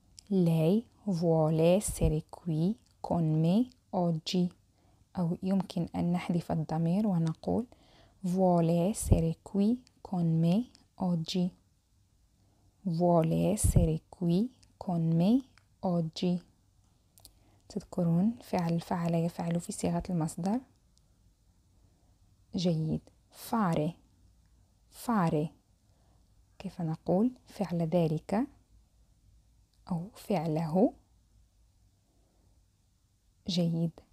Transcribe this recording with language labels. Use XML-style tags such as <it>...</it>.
<it>لي vuole essere qui con me oggi.</it> <ar>أو يمكن أن نحذف الضمير ونقول</ar> <it>vuole essere qui con me oggi. vuole essere qui con me oggi.</it> <ar>تذكرون فعل فعل يفعل في صيغة المصدر.</ar> <it>جيد. fare. fare.</it> <ar>كيف نقول فعل ذلك أو فعله؟ جيد.</ar>